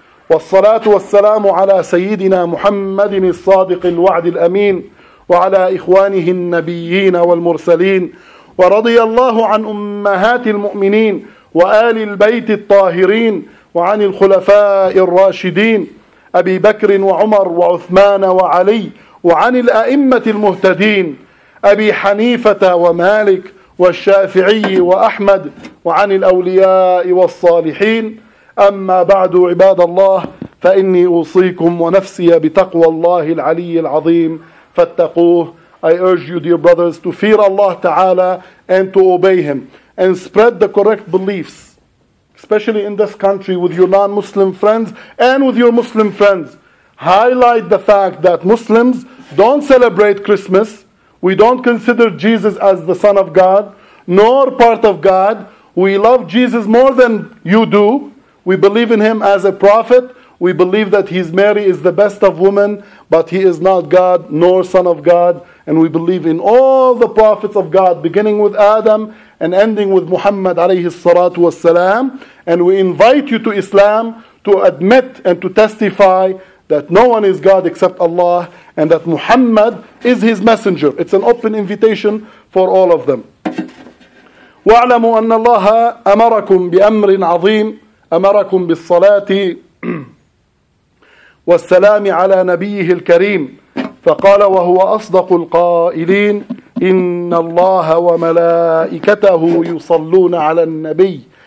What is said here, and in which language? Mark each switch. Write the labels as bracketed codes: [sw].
[ar] والصلاة والسلام على سيدنا محمد الصادق الوعد الأمين، وعلى إخوانه النبيين والمرسلين، ورضي الله عن أمهات المؤمنين، وآل البيت الطاهرين، وعن الخلفاء الراشدين، أبي بكر وعمر وعثمان وعلي، وعن الأئمة المهتدين أبي حنيفة ومالك والشافعي وأحمد، وعن الأولياء والصالحين. أما بعد عباد الله، فإني أوصيكم ونفسي بتقوى الله العلي العظيم، فاتقوه [en] I urge you, dear brothers, to fear Allah Ta'ala and to obey Him. And spread the correct beliefs, especially in this country with your non-Muslim friends and with your Muslim friends. Highlight the fact that Muslims don't celebrate Christmas. We don't consider Jesus as the Son of God, nor part of God. We love Jesus more than you do. We believe in Him as a prophet. We believe that He's Mary is the best of women, but He is not God nor Son of God. And we believe in all the prophets of God, beginning with Adam and ending with Muhammad alayhi salatu wasalam. And we invite you to Islam to admit and to testify that no one is God except Allah and that Muhammad is His messenger. It's an open invitation for all of them. [ar] وَاعْلَمُوا أَنَّ اللَّهَ أَمَرَكُمْ بِأَمْرٍ عَظِيمٍ أَمَرَكُمْ بِالصَّلَاةِ والسلام على نبيه الكريم فقال وهو أصدق القائلين إن الله وملائكته يصلون على النبي